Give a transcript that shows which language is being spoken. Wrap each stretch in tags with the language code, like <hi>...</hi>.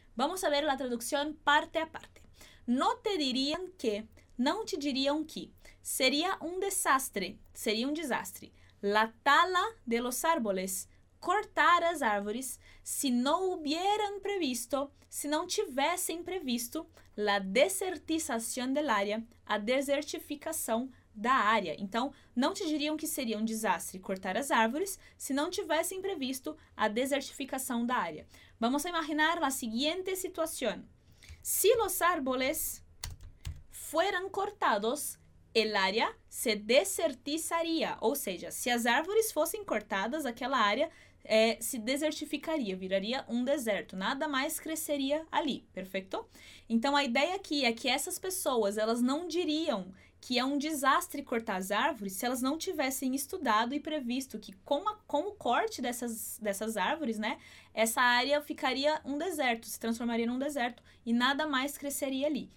<es>Vamos a ver la traducción parte a parte. No te dirían que,</es> <pt>não te diriam que, seria um desastre,</pt> <es>la tala de los árboles,</es> <pt>cortar as árvores, se não</pt> <es>hubieran previsto,</es> <pt>se não tivessem previsto,</pt> <es>la desertización del área,</es> <pt>a desertificação da área. Então, não te diriam que seria um desastre cortar as árvores se não tivessem previsto a desertificação da área.</pt> <es>Vamos a imaginar la siguiente situación. Si los árboles fueran cortados, el área se desertizaría.</es> <pt>Ou seja, se as árvores fossem cortadas, aquela área se desertificaria, viraria um deserto. Nada mais cresceria ali, perfeito? Então, a ideia aqui é que essas pessoas, elas não diriam que é um desastre cortar as árvores se elas não tivessem estudado e previsto que com o corte dessas árvores, né, essa área ficaria um deserto, se transformaria num deserto e nada mais cresceria ali.</pt>